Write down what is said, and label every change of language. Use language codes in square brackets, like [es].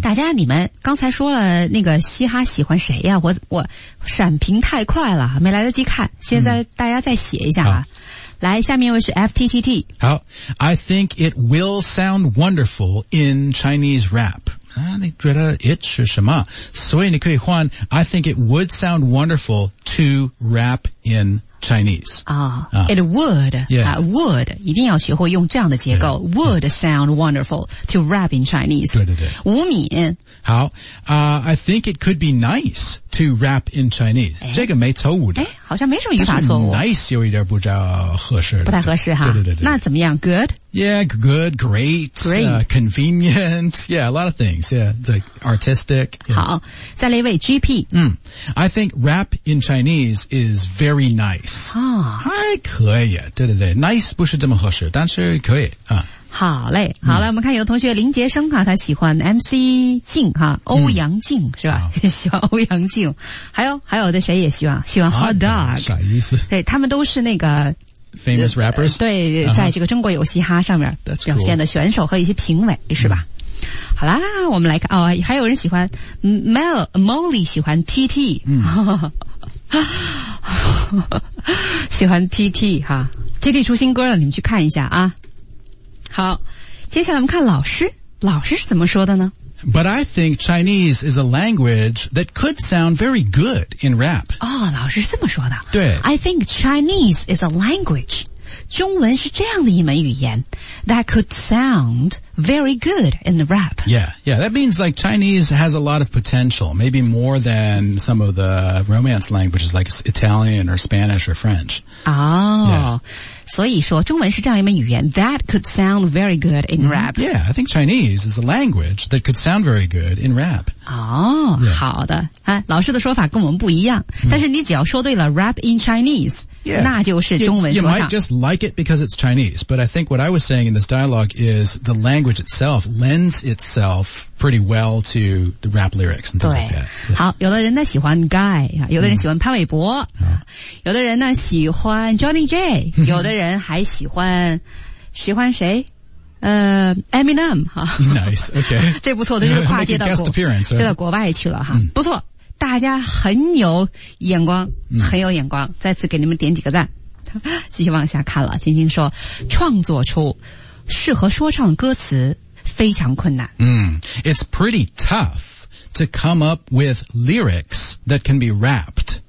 [zh] 大家你们刚才说了那个嘻哈喜欢谁呀、啊、我闪屏太快了没来得及看现在大家再写一下啊、嗯、来下面一位是 FTTT。 [en] 好 ,I think it will sound wonderful in Chinese rap. [zh] 啊你觉得 it 是什么所以你可以换 [en] ,I think it would sound wonderful to rap in Chinese. 啊、oh, it would, yeah. Would, [zh] 一定要学会用这样的结构 [en] yeah, would yeah. sound wonderful to rap in Chinese. [zh] 对对对。吴敏。 [en] 好、I think it could be nice to rap in Chinese.、哎、 [zh] 这个没错误的。哎好像没什么语法错误。 Nice 有一点不叫合适的。不太合适哈。对对 对, 对。那怎么样 ,good? [en] Yeah, good, great, great.、 convenient, yeah, a lot of things, yeah, it's like artistic. [zh] Yeah. 好再来一位 GP.、 Mm. [en] I think rap in Chinese is very nice. 啊、 [zh] 还可以对对对 ,nice 不是这么合适但是可以。好嘞，好了，我们看有同学林杰生哈，他喜欢 MC 静哈，欧阳静是吧？喜欢欧阳静，还有的谁也喜欢 Hot Dog，啥意思？对，他们都是那个 [en] famous rappers， [zh] 对，在这个中国有嘻哈上面表现的选手和一些评委是吧？好啦，我们来看哦，还有人喜欢 Molly 喜欢 TT。喜欢 TT 哈 ，TT 出新歌了，你们去看一下啊。好，接下来我们看老师是怎么说的呢 [en] ？But I think Chinese is a language that could sound very good in rap。 [zh] 哦，老师是这么说的。对 [en] ，I think Chinese is a language， [zh] 中文是这样的一门语言 [en] ，that could sound very good in rap。 Yeah, that means like Chinese has a lot of potential, maybe more than some of the romance languages like Italian or Spanish or French. Oh. [zh] 所以说中文是这样一门语言 [en] That could sound very good in rap Yeah, I think Chinese is a language that could sound very good in rap [zh] 好的、啊、老师的说法跟我们不一样、mm. 但是你只要说对了 [en] rap in Chinese、 yeah. [zh] 那就是中文说唱 [en] You might just like it because it's Chinese But I think what I was saying in this dialogue is the language itself lends itself pretty well to the rap lyrics and things like that、 [zh] yeah. 好有的人呢喜欢 Guy 有的人喜欢潘玮柏、mm. 有的人呢喜欢 Johnny J 有的人还喜欢谁？ Eminem 哈 [en] ，Nice， OK， [zh] 这不错的，这个跨界到国，这到国外去了哈、嗯，不错，大家很有眼光，很有眼光，再次给你们点几个赞。继续往下看了，青青说，创作出适合说唱的歌词非常困难。 [en] 嗯 ，It's pretty tough to come up with lyrics that can be rapped.